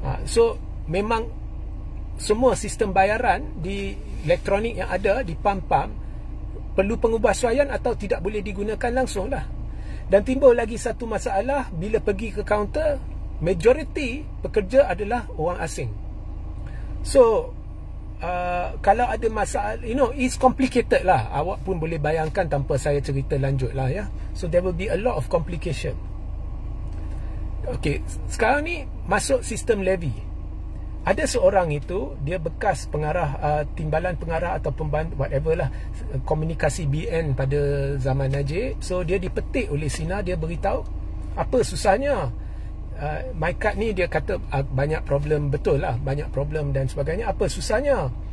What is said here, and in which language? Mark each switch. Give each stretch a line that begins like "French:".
Malay: So memang semua sistem bayaran di elektronik yang ada di PAM-PAM perlu pengubahsuaian atau tidak boleh digunakan langsung lah. Dan timbul lagi satu masalah bila pergi ke kaunter, majoriti pekerja adalah orang asing.
English: So
Malay: kalau ada masalah,
English: you know, it's complicated lah.
Malay: Awak pun boleh bayangkan tanpa saya cerita lanjut lah ya.
English: So there will be a lot of complication.
Malay: Okay, sekarang ni masuk sistem levy. Ada seorang itu, dia bekas pengarah, timbalan pengarah atau pembantu,
English: whatever
Malay: lah, komunikasi BN pada zaman Najib. So, dia dipetik oleh Sina, dia beritahu, apa susahnya?
English: My card
Malay: ni, dia kata, banyak problem, betul lah, banyak problem dan sebagainya, apa susahnya?